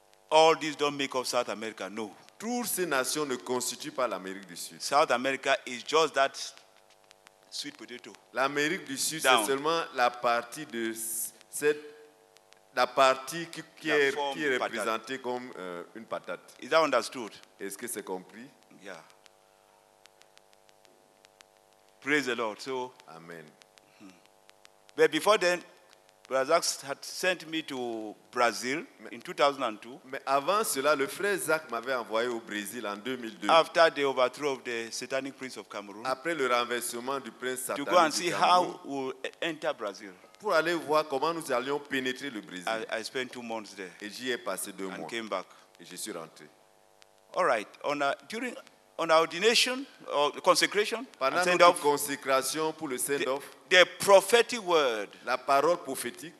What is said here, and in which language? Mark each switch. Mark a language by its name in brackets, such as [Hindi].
[English] All these don't make up South America, no. [French] Toutes ces nations ne constituent pas l'Amérique du Sud. [English] South America is just that sweet potato. [French] L'Amérique du Sud, c'est seulement la partie de cette, la partie qui est représentée comme une patate. [English] Is that understood? [French] Est-ce que c'est compris? [English] Yeah. Praise the Lord. So, amen. But before then, Brother Zach had sent me to Brazil in 2002. [French] Mais avant cela, le frère Zach m'avait envoyé au Brésil en 2002. [English] After the overthrow of the Satanic Prince of Cameroon. [French] Après le renversement du prince satanique. [English] To go and see how we'll enter Brazil. [French] Pour aller voir comment nous allions pénétrer le Brésil. [English] I spent 2 months there. [French] Et j'y ai passé 2 mois. [English] And came back. [French] Et je suis rentré. [English] All right. On ordination or consecration. [French] Pendant notre consécration pour le send-off. [English] The prophetic word, [French] la parole prophétique,